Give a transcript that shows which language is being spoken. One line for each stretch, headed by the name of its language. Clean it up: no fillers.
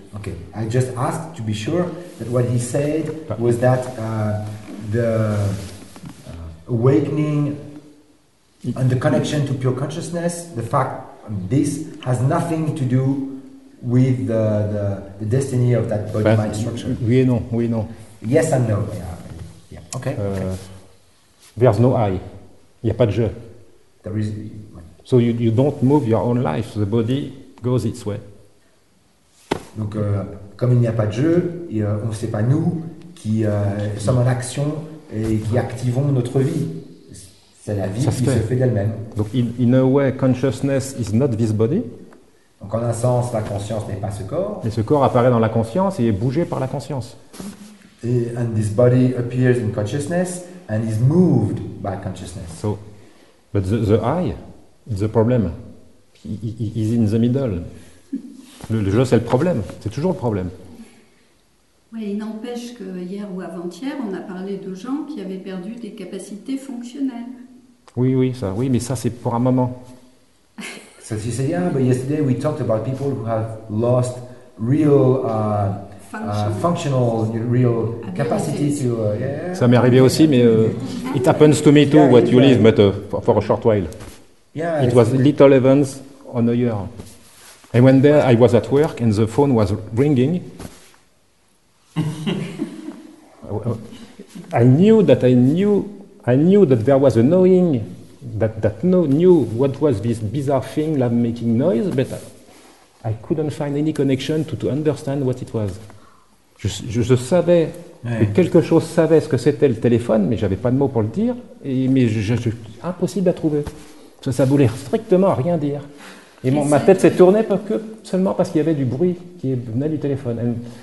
English: Ok, I just asked to be sure that what he said was that the awakening and the connection to pure consciousness, the fact this has nothing to do with the destiny of that body mind structure.
French: Oui et non, oui et non.
English: Yes and no. Yeah. Okay. There's no I.
French: Il n'y a pas de je.
English: There is. So you don't move your own life. The body goes its way.
French: Donc comme il n'y a pas de je, on ne sait pas nous qui sommes en action et qui activons notre vie. C'est la vie qui se fait d'elle-même.
English: Donc, in a way, consciousness is not this body.
French: Donc, en un sens, la conscience n'est pas ce corps. Mais ce corps apparaît dans la conscience et est bougé par la conscience.
English: And this body appears in consciousness and is moved by consciousness. So, but the I, the problem, is in the middle.
French: Le jeu, c'est le problème. C'est toujours le problème. Oui, il n'empêche que hier ou avant-hier, on a parlé de gens qui avaient perdu des capacités fonctionnelles. Oui, mais ça, c'est pour un moment.
English: So you say, yeah, but yesterday we talked about people who have lost real functional capacity to.
French: Ça m'est arrivé aussi, mais
English: it happens to me too, yeah, what you live, but for a short while. Yeah, it was little events on a year. I went there, I was at work, and the phone was ringing. I knew that there was a knowing, that no knew what was this bizarre thing like making noise, but I couldn't find any connection to understand what it was.
French: Je savais, ouais. Quelque chose savait ce que c'était le téléphone, mais j'avais pas de mots pour le dire, mais impossible à trouver. Ça voulait strictement rien dire. Et ma tête s'est tournée seulement parce qu'il y avait du bruit qui venait du téléphone.